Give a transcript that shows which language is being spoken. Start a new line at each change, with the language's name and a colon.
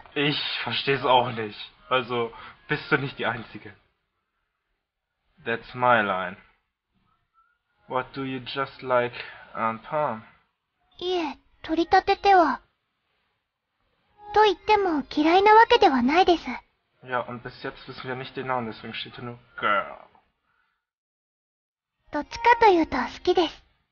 German: Ich verstehe es auch nicht. Also, bist du nicht die Einzige.
English: That's my line. What do you just like, Aunt Pam?
Japanese: いえ、取り立てては。と言っても嫌いなわけではないです。
German: Ja, und bis jetzt wissen wir nicht den Namen, deswegen steht hier nur Girl.
Japanese: どっちかというと好きです。